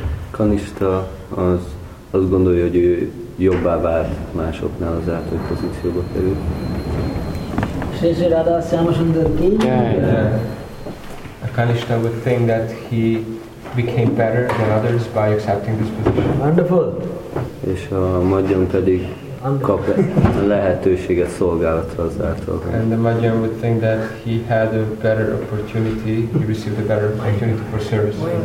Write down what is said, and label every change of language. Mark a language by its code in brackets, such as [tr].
[hu] Kanishta azt gondolja, hogy ő jobbá vár másoknál az által, hogy pozícióba kerül. Shri Radha Syamasundar ki? [en] Yeah. Kanishta would think that he became better than others by accepting this position. Wonderful. [hu] És a Madhyam pedig kap lehetőséget szolgálatra az által. [en] And the Madhyam would think that he had a better opportunity, he received a better opportunity for service.